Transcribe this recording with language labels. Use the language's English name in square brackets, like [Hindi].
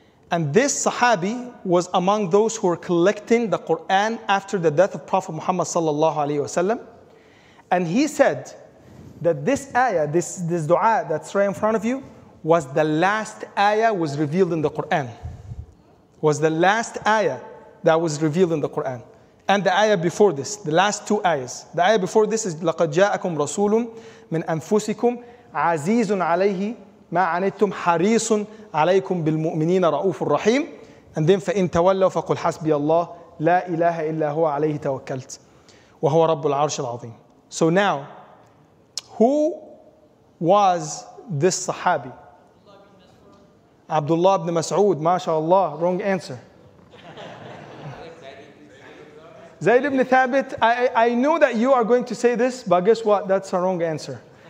[English] And this sahabi was among those who were collecting the Quran after the death of Prophet Muhammad sallallahu alaihi wasallam. And he said that this ayah, this dua that's right in front of you, was the last ayah was revealed in the Quran. Was the last ayah that was revealed in the Quran. And the ayah before this, the last two ayahs. The ayah before this is [Arabic] لَقَدْ جَاءَكُمْ رَسُولٌ مِنْ أَنفُسِكُمْ عَزِيزٌ عَلَيْهِ مَا عَنِتُمْ حَرِيصٌ عَلَيْكُمْ بِالْمُؤْمِنِينَ رَؤُوفٌ رَحِيمٌ. [English] And then [Arabic] فَإِنْ تَوَلَّوْا فَقُلْ حَسْبِيَ اللَّهِ لَا إِلَهَ إِلَّا هُوَ عَلَيْهِ تَوَكَّلْتُ وَهُوَ رَبُّ الْعَرْشِ الْعَظِيمِ. [English] So now, who was this sahabi? Abdullah ibn Mas'ud, mashallah, wrong answer. Zayd ibn Thabit, I know that you are going to say this, but guess what? That's a wrong answer.